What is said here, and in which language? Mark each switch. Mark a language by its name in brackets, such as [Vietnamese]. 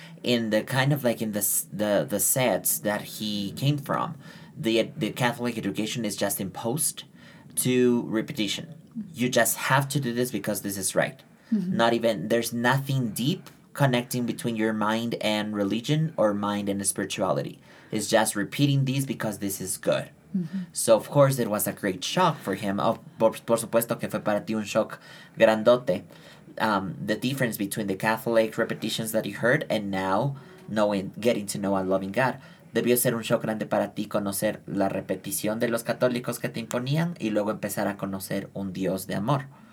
[English] In the kind of like in the sets that he came from, the Catholic education is just imposed to repetition. You just have to do this because this is right. Mm-hmm. Not even, there's nothing deep connecting between your mind and religion or mind and spirituality. It's just repeating these because this is good. Mm-hmm. So, of course, it was a great shock for him. [Spanish] Por supuesto que fue para ti un shock grandote. [English] The difference between the Catholic repetitions that he heard and now knowing, getting to know and loving God. [Spanish] Debió ser un shock grande para ti conocer la repetición de los católicos que te imponían y luego empezar a conocer un Dios de amor.